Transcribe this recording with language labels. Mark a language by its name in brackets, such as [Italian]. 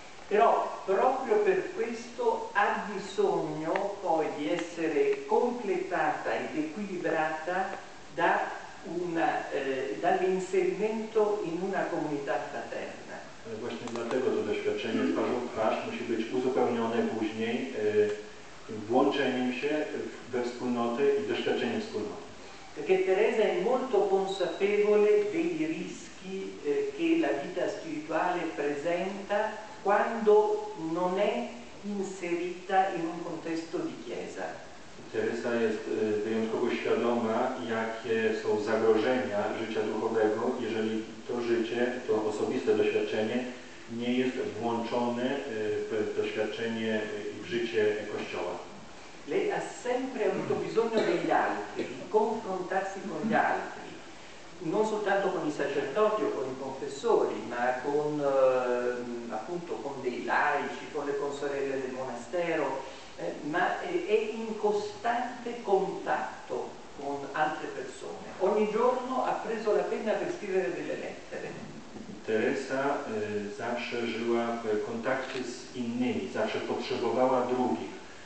[Italian] Però proprio per questo ha bisogno poi di essere completata ed equilibrata da una, dall'inserimento in una comunità fraterna. [Polish] Ale właśnie dlatego to doświadczenie pasz musi być uzupełnione później włączeniem się we wspólnotę i doświadczeniem wspólnoty. [Italian] Perché Teresa è molto consapevole dei rischi che la vita spirituale presenta quando non è inserita in un contesto di chiesa. [Polish] Teresa jest wyjątkowo świadoma, jakie są zagrożenia życia duchowego, jeżeli to życie, to osobiste doświadczenie nie jest włączone w doświadczenie i w życie Kościoła. [Italian] Lei ha sempre avuto bisogno degli altri, di confrontarsi con gli altri, non soltanto con i sacerdoti o con i confessori, ma con appunto con dei laici, con le consorelle del monastero, ma è in costante contatto con altre persone. Ogni giorno ha preso la penna per scrivere delle lettere. [Polish] Teresa zawsze żyła w kontakcie z innymi, zawsze potrzebowała drugich.